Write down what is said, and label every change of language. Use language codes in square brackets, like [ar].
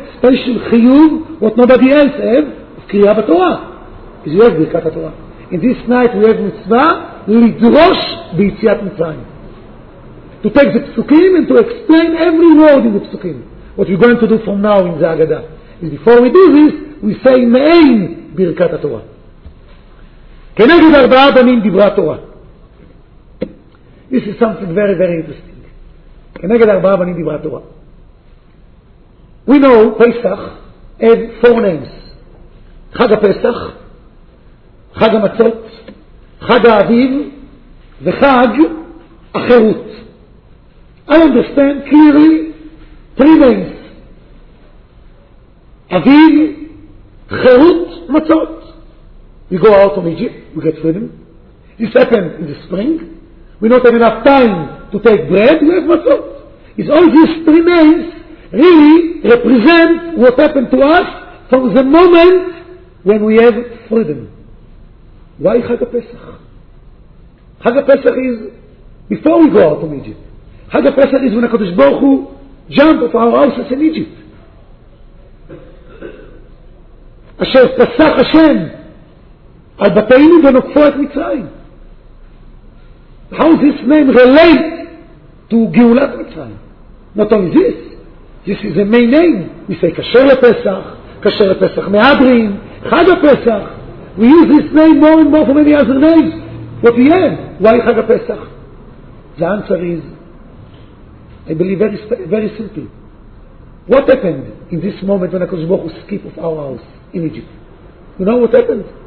[en] special chiyuv, what nobody else have, of kriya b'torah. Because you have birkat ha-torah. In this night we have mitzvah, [he] lidrosh b'yitziat mitzrayim. [en] To take the psukim and to explain every word in the psukim. What we're going to do from now in the Agadah. And before we do this, we say me'ein birkat ha-torah. [he] כנגד ארבעה בנים דיברה תורה. [en] This is something very very interesting. [he] כנגד ארבעה בנים דיברה תורה. [en] We know Pesach had four names. [he] חג הפסח, חג המצות, חג האביב, וחג החירות. [en] I understand clearly three names. [he] אביב, חירות, מצות. [en] We go out from Egypt, we get freedom. This happened in the spring. We don't have enough time to take bread, we have matzot. It's all these three names really represent what happened to us from the moment when we have freedom. Why Chag HaPesach? Chag HaPesach is before we go out from Egypt. Chag HaPesach is when HaKadosh Baruch Hu jumped off our houses in Egypt. [he] Asher Pasach Hashem על בתינו ונוקפו את מצרים. [en] How this name relate to גאולת מצרים? Not only this. This is the main name. We say [he] כשר לפסח, כשר לפסח מהדרין, חג הפסח. [en] We use this name more and more for many other names. What we have? Why חג הפסח? The answer is, I believe very, very simple. What happened in this moment when הקדוש ברוך הוא skip of our house in Egypt? You know what happened?